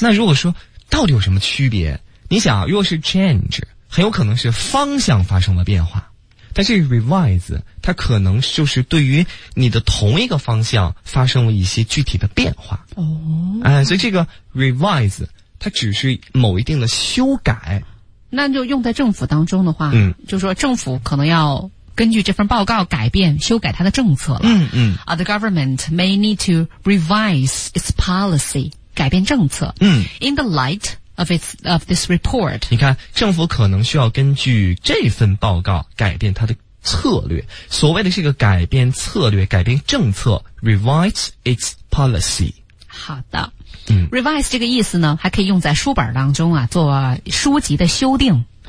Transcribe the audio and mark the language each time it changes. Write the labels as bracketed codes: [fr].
[zh] 那如果说到底有什么区别，你想如果是 change 很有可能是方向发生了变化，但是 revise 它可能就是对于你的同一个方向发生了一些具体的变化哦。所以这个 revise 它只是某一定的修改。那就用在政府当中的话，嗯，就说政府可能要根据这份报告改变修改它的政策了。嗯嗯。 [en] The government may need to revise its policy， [zh] 改变政策。嗯。 [en] In the light of this report。 [zh] 你看政府可能需要根据这份报告改变它的策略。所谓的这个改变策略，改变政策， [en] revise its policy。 [zh] 好的。嗯。 Revise 这个意思呢还可以用在书本当中啊，做书籍的修订。